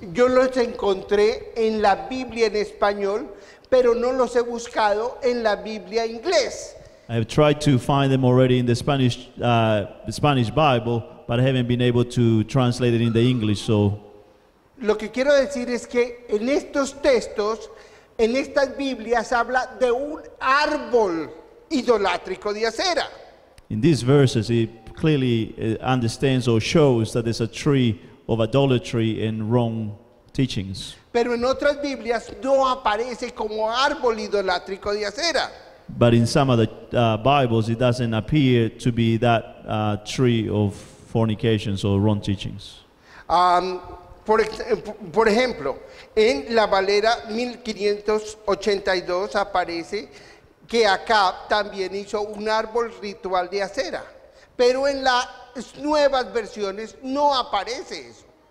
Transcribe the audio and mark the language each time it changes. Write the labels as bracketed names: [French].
[Spanish] yo los encontré en la Biblia en español, pero no los he buscado en la Biblia inglés. [English] I have tried to find them already in the Spanish Bible, but I haven't been able to translate it in the English, so. [Spanish] Lo que quiero decir es que en estos textos, en estas Biblias, habla de un árbol idolátrico de acera. [English] In these verses, it clearly understands or shows that there's a tree of idolatry and wrong teachings. [Spanish] Pero en otras Biblias no aparece como árbol idolátrico de acera. [English] But in some other Bibles, it doesn't appear to be that tree of fornications or wrong teachings. [Spanish] Por ejemplo, en la Valera 1582 aparece que Acab también hizo un árbol ritual de acera, pero en las nuevas versiones no aparece eso.